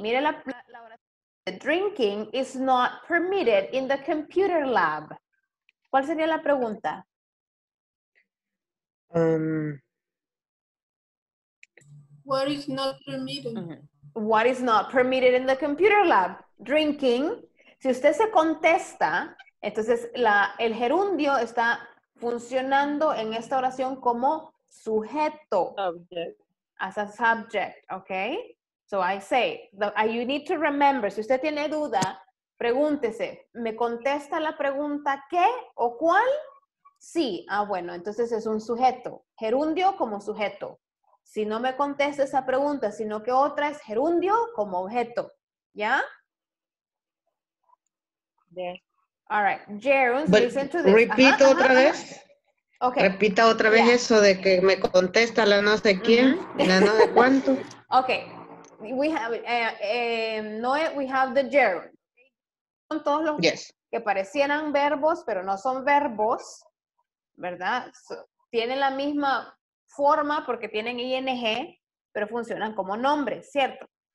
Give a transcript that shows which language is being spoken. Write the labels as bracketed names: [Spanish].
[Spanish] Mire la oración. [English] Drinking is not permitted in the computer lab. [Spanish] ¿Cuál sería la pregunta? [English] What is not permitted? Mm-hmm. What is not permitted in the computer lab? Drinking. [Spanish] Si usted se contesta, entonces, el gerundio está funcionando en esta oración como sujeto. [English] Subject. As a subject, okay? So I say, you need to remember, [Spanish] si usted tiene duda, pregúntese, ¿me contesta la pregunta qué o cuál? Sí, bueno, entonces es un sujeto. Gerundio como sujeto. Si no me contesta esa pregunta, sino que otra es gerundio como objeto, ¿ya? De. [English] All right, gerunds, but listen to this. [Spanish] Repita otra vez. [English] Okay. [Spanish] Repita otra vez eso de que me contesta la no sé quién, la no de cuánto. [English] Okay, we have, Noe, we have the gerund. [Spanish] Son todos los que parecieran verbos, pero no son verbos, ¿verdad? So, tienen la misma forma porque tienen ing, pero funcionan como nombre, ¿cierto?